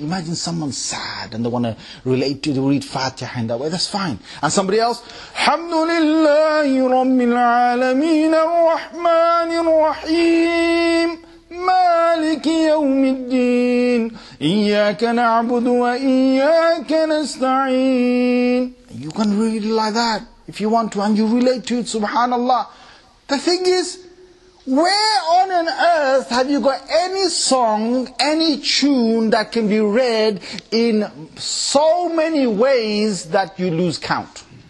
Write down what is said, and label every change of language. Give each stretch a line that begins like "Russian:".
English: Imagine someone sad and they want to relate to read Fatiha in that way. That's fine. And somebody else,
Arabic: الحمد لله رب العالمين الرحمن الرحيم مالك يوم الدين إياك نعبد وإياك نستعين.
English: You can read it like that if you want to, and you relate to it, subhanAllah. The thing is, where on an earth have you got any song, any tune that can be read in so many ways that you lose count?